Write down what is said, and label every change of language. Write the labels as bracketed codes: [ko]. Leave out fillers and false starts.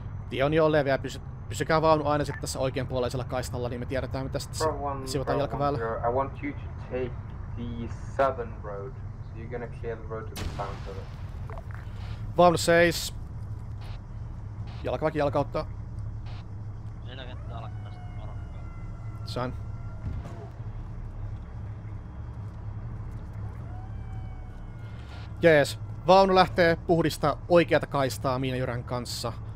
[fi] Tie on jo leveä, pysykää vaunu aina sitten tässä oikean puoleisella kaistalla, niin me tiedetään mitä sitten sivutaan jalkaväällä. [en] The southern road. So you're gonna clear the road to the town for it. [fi] Vaunu seis. Jalkaväki jalkautta. Meillä kenttä alkaa sitten varoittaa. Sain. Jees. Vaunu lähtee puhdistaa oikeata kaistaa miinajyrän kanssa.